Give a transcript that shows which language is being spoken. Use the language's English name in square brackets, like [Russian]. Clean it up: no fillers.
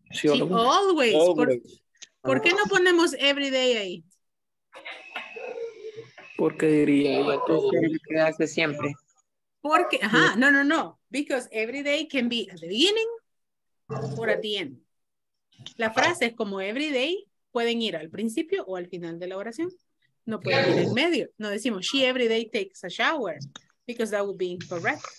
[Spanish] ¿Por qué no ponemos every day ahí? Porque diría que hace siempre. Porque, ajá, no. [English] Because every day can be at the beginning or at the end. [Spanish] La frase es como every day pueden ir al principio o al final de la oración. No pueden ir en medio. No decimos [English] she every day takes a shower because that would be incorrect.